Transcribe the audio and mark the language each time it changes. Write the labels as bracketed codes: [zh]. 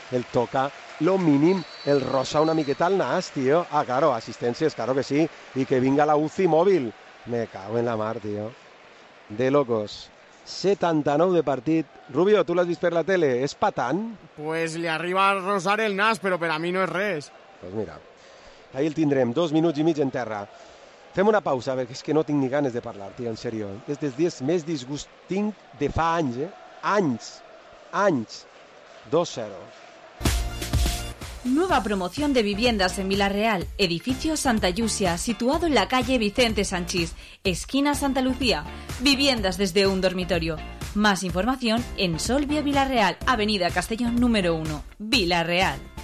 [ca] El toca, lo mínim, el rosa una miqueta al nas, tio. Ah, claro, assistències, claro que sí. I que vinga la UCI mòbil. Me cago en la mar, tio. [es] De locos. [ca] 79 de partit. Rubio, tu l'has vist per la tele, és patant? Pues li arriba a rosar el nas, però per a mi no és res. Pues mira, ahí el tindrem, 2 minuts i mig en terra. Fem una pausa, perquè és que no tinc ni ganes de parlar, tio, en serio. És dels dies més disgustint de fa anys, eh? Anys. Anys. 2-0. [es] Nueva promoción de viviendas en Villarreal, edificio Santa Yusia, situado en la calle Vicente Sanchís, esquina Santa Lucía. Viviendas desde un dormitorio. Más información en Solvia Villarreal, avenida Castellón número 1, Villarreal.